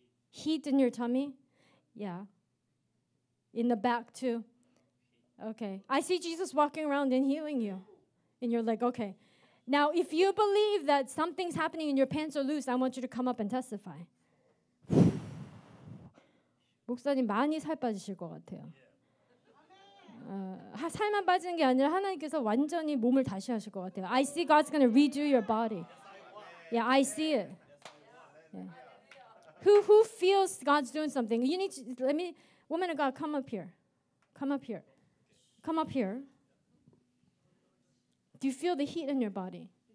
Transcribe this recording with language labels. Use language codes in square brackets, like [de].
[en] Heat in your tummy? Yeah. In the back, too. Okay. I see Jesus walking around and healing you in your leg. Okay. Now, if you believe that something's happening and your pants are loose, I want you to come up and testify. [ko] 목사님, 많이 살 빠지실 것 같아요. 살만 빠지는 게 아니라 하나님께서 완전히 몸을 다시 하실 것 같아요. [en] I see God's going to redo your body. Yeah, I see it. Yeah. Who feels God's doing something? You need to, let me... Woman of God, come up here. Come up here. Come up here. Do you feel the heat in your body?